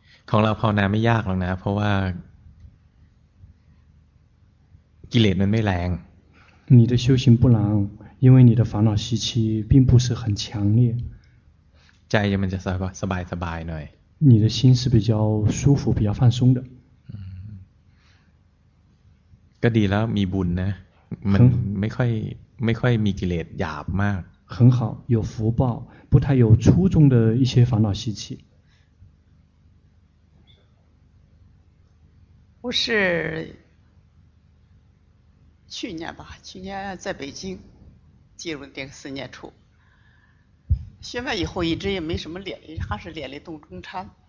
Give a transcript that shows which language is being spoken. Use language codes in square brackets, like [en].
[th] ของเราภาวนาไม่ยากหรอกนะเพราะว่ากิเลสมันไม่แรง [zh] 你的修行不难因为你的烦恼习气并不是很强烈 [th] ใจยังมันจะสบายสบายหน่อย [zh] 你的心是比较舒服比较放松的 [th] ก็ดีแล้วมีบุญนะมันไม่ค่อยมีกิเลสหยาบมาก [zh] 很好有福报不太有粗重的一些烦恼习气我是去年吧，去年在北京进入第四年初，学完以后一直也没什么练，还是练了洞中禅。